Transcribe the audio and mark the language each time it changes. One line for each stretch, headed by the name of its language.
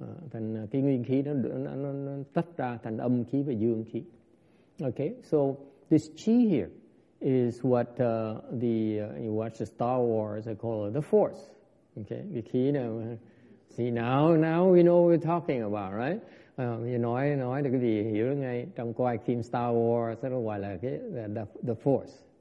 Vietnamese: Thành cái nguyên khí nó tách ra thành âm khí và dương khí.
English: Okay, so this chi here is what you watch the Star Wars, they call it the Force. Okay, the
Vietnamese: khí này,
English: see now we know what we're talking about, right?
Vietnamese: Nói thì quý vị hiểu ngay trong coi phim Star Wars, nó gọi là cái the Force.